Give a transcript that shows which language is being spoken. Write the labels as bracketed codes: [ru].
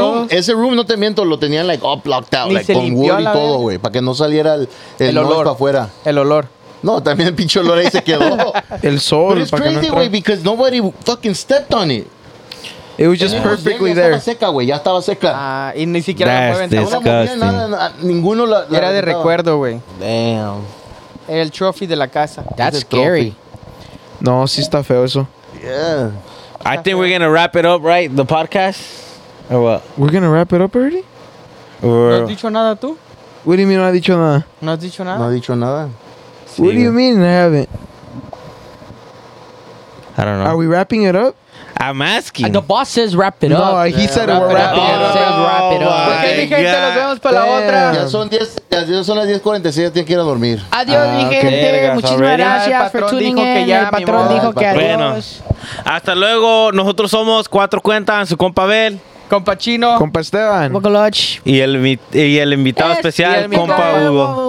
[es] Ese room, no te miento, lo tenían [en] like up locked out, [es] like con [en] wood [es] y todo, güey, para que no saliera el olor para afuera. El olor. No, también el pinche olor ahí se quedó. El sol. [en] But it's crazy, güey, because nobody fucking stepped on it. It was just perfectly there. [es] Ya estaba seca, güey, ya estaba seca. Y ni siquiera la mueven. [en] That's disgusting. [es] Era de recuerdo, güey. [en] Damn. [es] El trophy de la casa. [en] That's scary. [es] No, sí está feo eso. [en] Yeah. I think we're going to wrap it up, right? The podcast? Or what? We're going to wrap it up already? Or... [es] ¿No has dicho nada tú? [en] What do you mean [es] no has dicho nada? ¿No has dicho nada? No has dicho nada. Sí. [en] What do you mean I haven't? I don't know. Are we wrapping it up? I'm asking. The boss says wrap it up. No, he said we're wrapping it up. The boss says wrap it up. [es] Porque mi gente, nos vemos para la otra. Ya son las 10:46, ya tienen que ir a dormir. Adiós, mi gente. Muchísimas gracias por [en] tuning in. [es] El patrón dijo que adiós. Bueno, hasta luego. Nosotros somos Cuatro Cuentas, su compa Bel. Compa Chino. Compa Esteban. Bocoloch. Y el invitado especial, compa Hugo.